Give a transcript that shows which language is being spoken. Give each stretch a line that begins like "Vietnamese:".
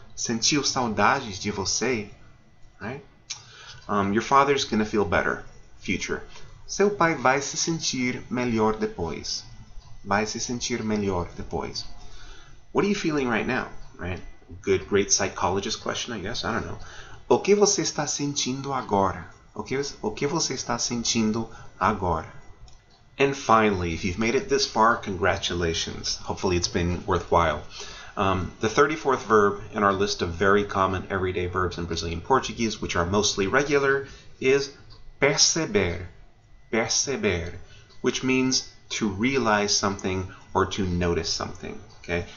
Portuguese: Sentiu saudades de você?
English: Right? Your father's gonna feel better. Future.
Portuguese: Seu pai vai se sentir melhor depois. Vai se sentir melhor depois.
English: What are you feeling right now? Right? Good, great psychologist question, I guess. I don't know.
Portuguese: O que você está sentindo agora? O que você está sentindo agora?
English: And finally, if you've made it this far, congratulations. Hopefully it's been worthwhile. The 34th verb in our list of very common everyday verbs in Brazilian Portuguese, which are mostly regular, is perceber. Perceber, which means to realize something or to notice something. Okay?